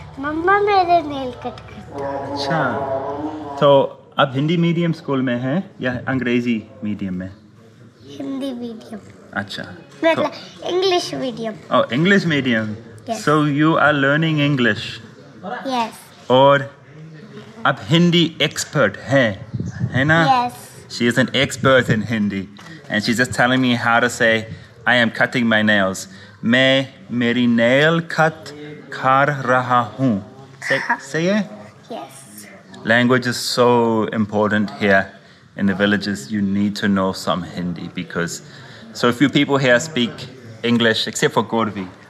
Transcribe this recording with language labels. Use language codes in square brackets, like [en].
[hi] Mamma mere nail cut karti hai. Acha. [en] So, [hi] ab Hindi medium school mein hai ya Angrezi medium mein? [en] Hindi medium. [hi] Acha. Matlab English medium. [en] Oh, English medium. Yes. So you are learning English. Yes. Or [hi] आप Hindi expert हैं, है ना? [en] Yes. She is an expert in Hindi, and she's just telling me how to say, "I am cutting my nails." [hi] मैं मेरी nail cut कर रहा हूँ. [en] Say it. Yes. Language is so important here in the villages. You need to know some Hindi because so few people here speak English, except for Gauravi.